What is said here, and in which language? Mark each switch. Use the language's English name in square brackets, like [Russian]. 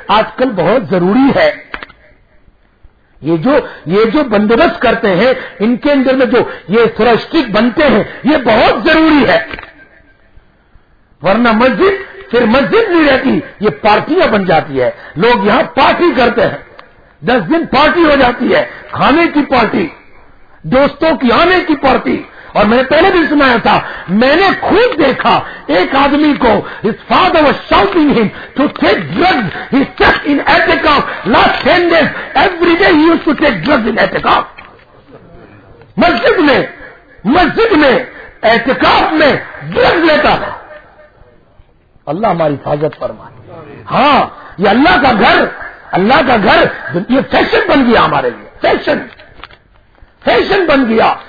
[Urdu] آج کل بہت ضروری ہے. یہ جو بندوبست کرتے ہیں ان کے اندر میں جو یہ سرسٹک بنتے ہیں یہ بہت ضروری ہے, ورنہ مسجد پھر مسجد نہیں رہتی, یہ پارٹیاں بن جاتی ہے. لوگ یہاں پارٹی کرتے ہیں, 10 دن پارٹی ہو جاتی ہے, کھانے کی پارٹی, دوستوں کی آنے کی پارٹی. اور میں نے پہلے بھی سنایا تھا, میں نے خود دیکھا ایک آدمی کو, [English] his father was shouting him to take drugs, he stuck in احتکاب last 10 days, every day he used to take drugs in احتکاب. [Urdu] مسجد میں احتکاب میں ڈرگ لیتا تھا. اللہ ہماری حفاظت فرمائے. ہاں, یہ اللہ کا گھر یہ فیشن بن گیا ہمارے لیے, فیشن بن گیا.